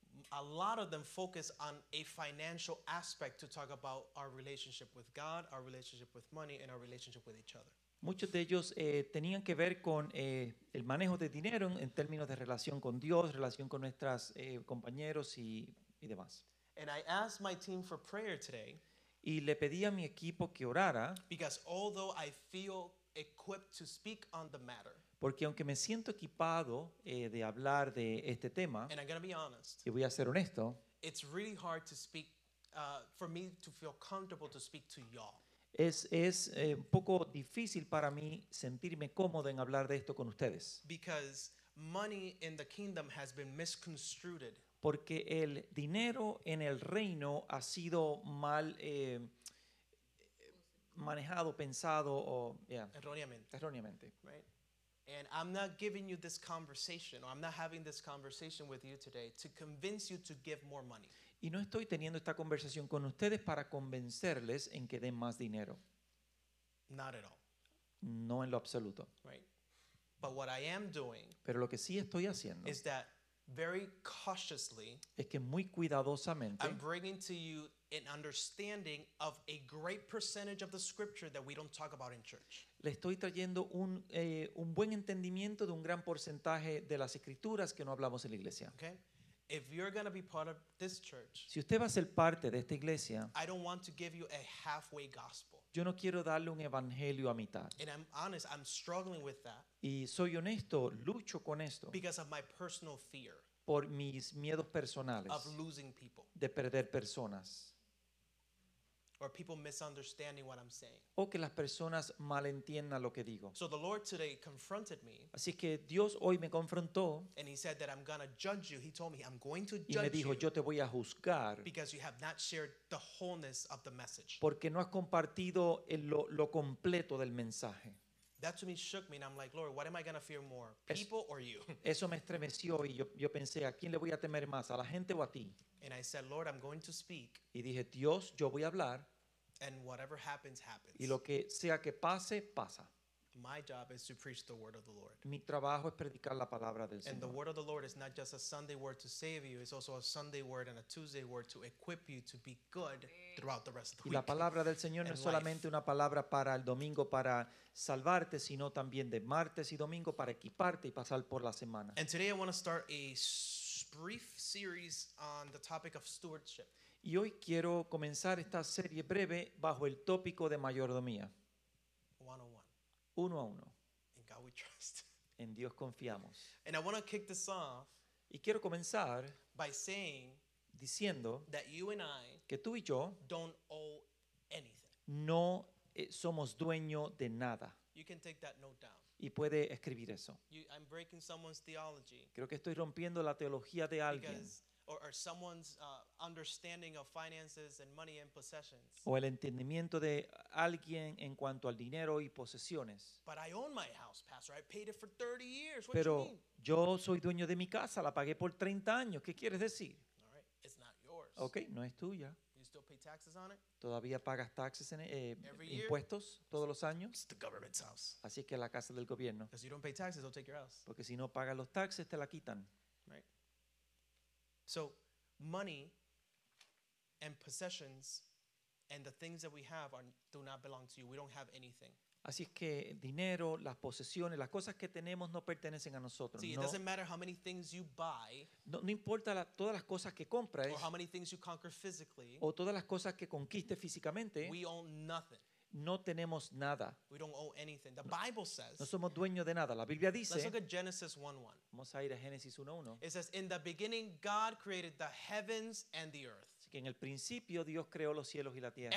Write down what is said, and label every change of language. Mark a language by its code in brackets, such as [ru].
[en] a lot of them focus on a financial aspect to talk about our relationship with God, our relationship with money, and our relationship with each other. [es] Muchos de ellos tenían que ver con el manejo de dinero en términos de relación con Dios, relación con nuestros compañeros y demás. [en] And I asked my team for prayer today. [es] Y le pedí a mi equipo que orara. [en] Because although I feel equipped to speak on the matter. [es] Porque aunque me siento equipado de hablar de este tema. [en] And I'm going to be honest. [es] Y voy a ser honesto. [en] It's really hard to speak, for me to feel comfortable to speak to y'all. [es] Es un poco difícil para mí sentirme cómodo en hablar de esto con ustedes. [en] Because money in the kingdom has been misconstrued. [es] Porque el dinero en el reino ha sido mal manejado, pensado o erróneamente. [en] Right? And I'm not giving you this conversation, or I'm not having this conversation with you today to convince you to give more money. [es] Y no estoy teniendo esta conversación con ustedes para convencerles en que den más dinero. [en] Not at all. [es] No en lo absoluto. [en] Right. But what I am doing. [es] Pero lo que sí estoy haciendo [en] is that. Very cautiously, [es] es que muy cuidadosamente, [en] I'm bringing to you an understanding of a great percentage of the scripture that we don't talk about in church. [es] Le estoy trayendo un buen entendimiento de un gran porcentaje de las escrituras que no hablamos en la iglesia. [en] Okay? If you're going to be part of this church, [es] si usted va a ser parte de esta iglesia, [en] I don't want to give you a halfway gospel. [es] Yo no quiero darle un evangelio a mitad. [en] And I'm honest, I'm struggling with that. [es] Y soy honesto, lucho con esto. [en] Because of my personal fear. [es] Por mis miedos personales. [en] Of losing people. [es] De perder personas. [en] Or people misunderstanding what I'm saying. [es] O que las personas malentiendan lo que digo. [en] So the Lord today confronted me. [es] Así que Dios hoy me confrontó. [en] And he said that I'm going to judge you. He told me I'm going to judge you. [es] Y me dijo, yo te voy a juzgar. [en] Because you have not shared the wholeness of the message. [es] Porque no has compartido lo completo del mensaje. [en] That to me shook me, and I'm like, Lord, what am I going to fear more, people or you? [es] Eso me estremeció y yo pensé, ¿a quién le voy a temer más, a la gente o a ti? [en] And I said, Lord, I'm going to speak. [es] Y dije, Dios, yo voy a hablar. [en] And whatever happens, happens. [es] Y lo que sea que pase, pasa. [en] My job is to preach the word of the Lord. [es] Mi trabajo es predicar la palabra del Señor. [en] And the word of the Lord is not just a Sunday word to save you, it's also a Sunday word and a Tuesday word to equip you to be good throughout the rest of the week. [es] Y la palabra del Señor no es solamente una palabra para el domingo para salvarte, sino también de martes y domingo para equiparte y pasar por la semana. [en] And today I want to start a brief series on the topic of stewardship. [es] Y hoy quiero comenzar esta serie breve bajo el tópico de mayordomía. [en] 101. [es] 1 a 1. [en] In God we trust. [es] En Dios confiamos. [en] And I want to kick this off. [es] Y quiero comenzar [en] by saying [es] diciendo [en] that you and I, [es] que tú y yo, [en] don't owe anything. [es] No somos dueño de nada. [en] You can take that note down. [es] Y puede escribir eso. [en] I'm breaking someone's theology. [es] Creo que estoy rompiendo la teología de alguien. [en] Or someone's understanding of finances and money and possessions. [es] O el entendimiento de alguien en cuanto al dinero y posesiones. [en] But I own my house, Pastor. I paid it for 30 years. What [es] Pero [en] do you mean? [es] Yo soy dueño de mi casa. La pagué por 30 años. ¿Qué quieres decir? [en] All right. It's not yours. [es] Okay, no es tuya. [en] You still pay taxes on it? [es] Todavía pagas taxes en impuestos todos los años. [en] It's the government's house. [es] Así es que la casa del gobierno. [en] Because you don't pay taxes, they'll take your house. [es] Porque si no pagas los taxes, te la quitan. [en] Right. So, money and possessions and the things that we have do not belong to you. We don't have anything. [es] Así es que dinero, las posesiones, las cosas que tenemos no pertenecen a nosotros. [en] See, It doesn't matter how many things you buy. [es] No importa todas las cosas que compras. [en] Or how many things you conquer physically. [es] O todas las cosas que conquiste físicamente. [en] We own nothing. [es] No tenemos nada. [en] We don't owe anything. The Bible says. [es] No somos dueños de nada. La Biblia dice. [en] Let's look at Genesis 1:1. [es] Vamos a ir a Génesis 1:1. [en] It says, "In the beginning, God created the heavens and the earth." [es] Así que en el principio Dios creó los cielos y la tierra.